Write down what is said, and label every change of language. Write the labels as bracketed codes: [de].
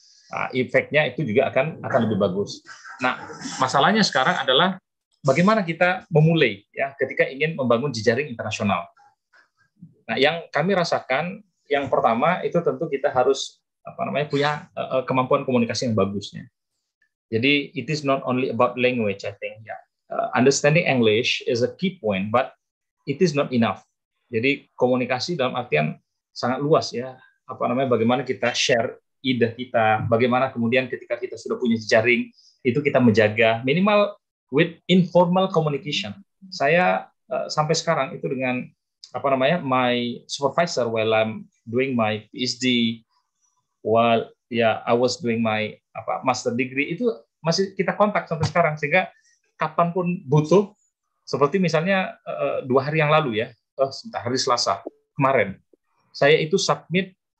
[id] Efeknya itu juga akan lebih bagus. Nah, masalahnya sekarang adalah bagaimana kita memulai ya ketika ingin membangun jejaring internasional. Nah, yang kami rasakan yang pertama itu tentu kita harus apa namanya punya kemampuan komunikasi yang bagusnya. [en] Jadi it is not only about language, I think. Yeah. Understanding English is a key point, but it is not enough. [id] Jadi komunikasi dalam artian sangat luas ya. Apa namanya, bagaimana kita share ide kita, bagaimana kemudian ketika kita sudah punya jejaring, itu kita menjaga minimal [en] with informal communication. [id] Saya sampai sekarang itu dengan apa namanya [en] my supervisor while I'm doing my PhD, while yeah, I was doing my [id] apa master degree, itu masih kita kontak sampai sekarang, sehingga kapanpun butuh, seperti misalnya dua hari yang lalu ya, hari Selasa kemarin, saya itu submit